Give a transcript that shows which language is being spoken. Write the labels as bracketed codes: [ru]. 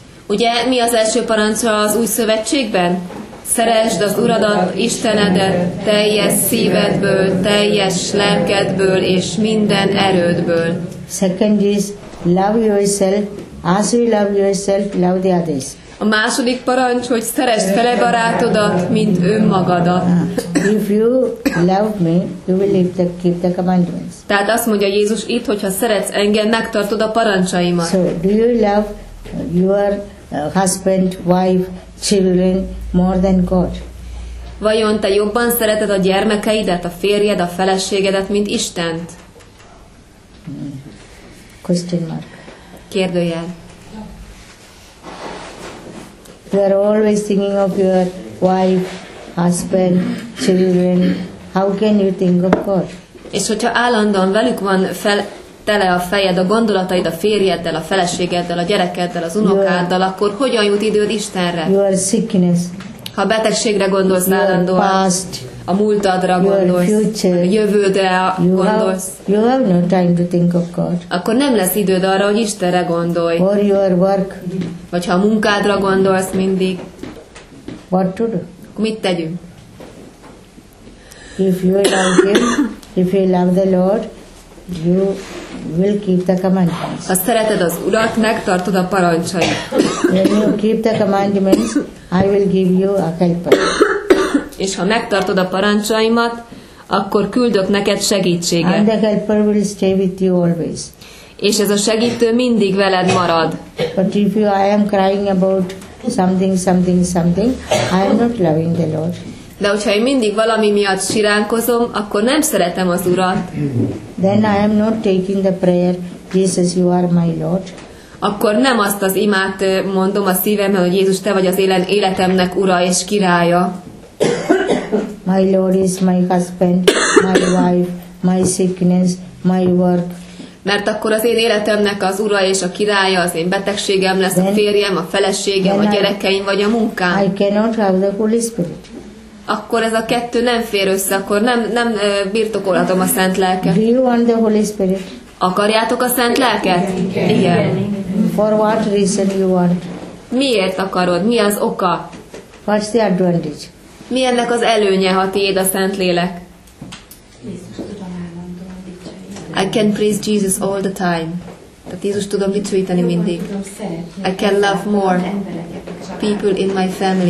[hu] Ugye mi az első parancsa az új szövetségben? Szeresd az Uradat, Istenedet, teljes szívedből, teljes lelkedből és minden erődből. [en] Second is, love yourself, as you love yourself, love the others. [hu] A második parancs, hogy szeresd fele barátodat, mint önmagadat. [en] If you love me, you will keep the commandments. [hu] Tehát azt mondja Jézus itt, hogyha szeretsz engem, megtartod a parancsaimat. [en] So, do you love your husband, wife, children more than God? [hu] Vajon te jobban szereted a gyermekeidet, a férjed, a feleségedet, mint Istent? [en] Question mark. [hu] Kérdőjel. [en] You are always thinking of your wife, husband, children. How can you think of God? [hu] És hogyha állandóan velük van tele a fejed, a gondolataid a férjeddel, a feleségeddel, a gyerekeddel, az unokáddal, akkor hogyan jut időd Istenre? [en] Your sickness. [hu] Ha betegségre gondolsz [en] your [hu] állandóan, [en] past, [hu] a múltadra gondolsz, [en] future, [hu] a jövődre gondolsz, [en] you have no time to think of God. [hu] Akkor nem lesz időd arra, hogy Istenre gondolj. [en] Or your work. [hu] Vagy ha a munkádra gondolsz mindig, [en] what to do? [hu] Akkor mit tegyünk? [en] If you love him, if you love the Lord, you will keep the commandments. [hu] Ha szereted az Urat, megtartod a parancsait. [en] When you keep the commandments, I will give you a helper. [hu] És ha megtartod a parancsaimat, akkor küldök neked segítséget. [en] And the helper will stay with you always. [hu] És ez a segítő mindig veled marad. [en] But if you, I am crying about something, I am not loving the Lord. [hu] De hogyha én mindig valami miatt siránkozom, akkor nem szeretem az Urat. [en] Then I am not taking the prayer, Jesus, you are my Lord. [hu] Akkor nem azt az imát mondom a szívemben, hogy Jézus, te vagy az életemnek Ura és Királya. [en] My Lord is my husband, my wife, my sickness, my work. [hu] Mert akkor az én életemnek az Ura és a Királya, az én betegségem lesz, [en] then, [hu] a férjem, a feleségem, a gyerekeim, vagy a munkám. [en] I cannot have the Holy Spirit. [hu] Akkor ez a kettő nem fér össze, akkor nem birtokolhatom a Szent Lelket. [en] Do you want the Holy Spirit? [hu] Akarjátok a Szent Lelket? Igen. [en] For what reason you want? [hu] Miért akarod? Mi az oka? [en] What's the advantage? [hu] Mi ennek az előnye, ha tiéd a Szent Lélek? [en] I can praise Jesus all the time. [hu] Tehát Jézus tudom dicsőíteni mindig. [en] I can love more people in my family.